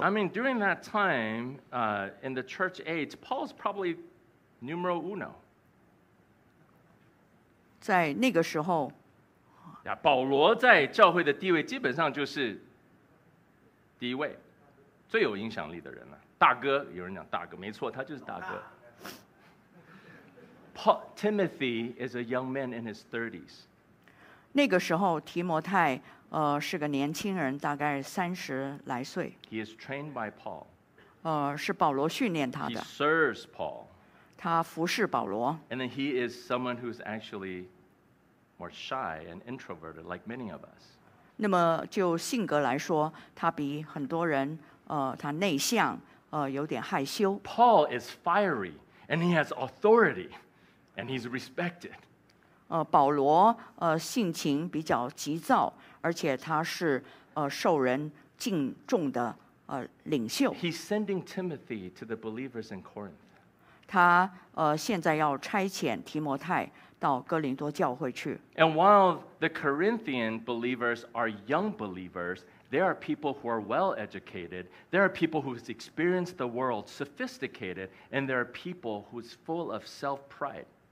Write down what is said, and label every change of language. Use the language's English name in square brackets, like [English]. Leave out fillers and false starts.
[English] I mean, during that time, in the church age, Paul's probably numero uno. [Chinese] 在那个时候，保罗在教会的地位基本上就是第一位，最有影响力的人了。大哥，有人讲大哥，没错，他就是大哥。 [English] Paul, Timothy is a young man in his 30s. [Chinese] 那个时候，提摩太是个年轻人，大概30来岁。 [English] He is trained by Paul. [Chinese] 是保罗训练他的。 [English] He serves Paul. [Chinese] 他服侍保罗。 [English] And then he is someone who is actually more shy and introverted, like many of us. [Chinese] 那么就性格来说，他比很多人他内向，有点害羞。 [English] Paul is fiery, and he has authority, and he's respected. [Chinese] 保罗性情比较急躁。而且他是受人敬重的领袖。 [English] He's sending Timothy to the believers in Corinth. [Chinese] 他现在要差遣提摩太到哥林多教会去。 [English] And while the Corinthian believers are young believers, there are people who are well educated, there are people who have experienced the world, sophisticated, and there are people who is full of self-pride.